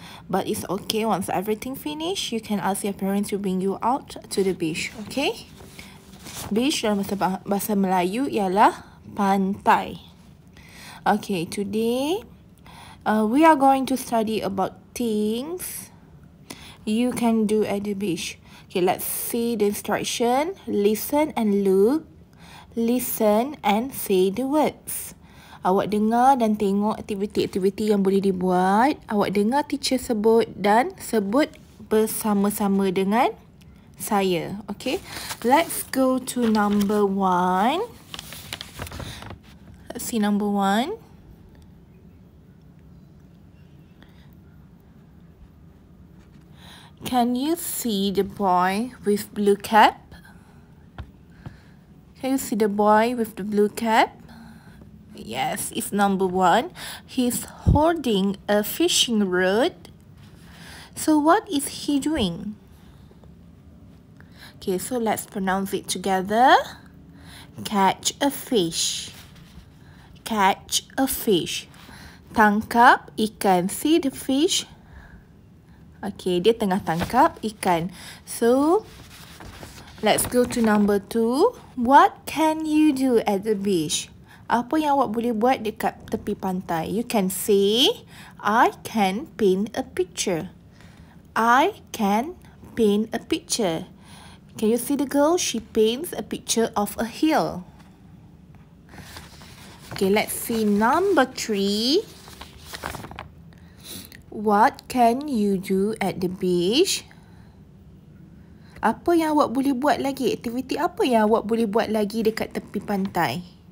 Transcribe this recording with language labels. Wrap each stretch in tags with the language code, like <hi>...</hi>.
<en>But it's okay, once everything finish, you can ask your parents to bring you out to the beach. Okay, beach</en> <ms>dalam bahasa Melayu ialah pantai.</ms> <en>Okay, today we are going to study about things you can do at the beach. Okay, let's see the instruction. Listen and look. Listen and say the words.</en> <ms>Awak dengar dan tengok aktiviti-aktiviti yang boleh dibuat. Awak dengar teacher sebut dan sebut bersama-sama dengan saya.</ms> <en>Okay, let's go to number one. Let's see number one. Can you see the boy with blue cap? Can you see the boy with the blue cap? Yes, it's number one. He's holding a fishing rod. So what is he doing? Okay, so let's pronounce it together. Catch a fish. Catch a fish.</en> <ms>Tangkap ikan.</ms> <en>See the fish? Okay,</en> <ms>dia tengah tangkap ikan.</ms> <en>So, let's go to number two. What can you do at the beach?</en> <ms>Apa yang awak boleh buat dekat tepi pantai?</ms> <en>You can say, I can paint a picture. I can paint a picture. Can you see the girl? She paints a picture of a hill. Okay, let's see number three. What can you do at the beach?</en> <ms>Apa yang awak boleh buat lagi? Aktiviti apa yang awak boleh buat lagi dekat tepi pantai?</ms>